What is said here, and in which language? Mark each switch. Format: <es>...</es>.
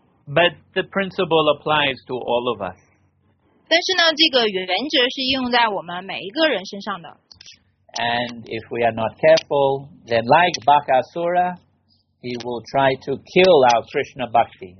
<en>But the principle applies to all of us.</en> <zh>但是呢，这个原则是应用在我们每一个人身上的。</zh> <en>And if we are not careful, then like Bhakasura, he will try to kill our Krishna Bhakti.</en>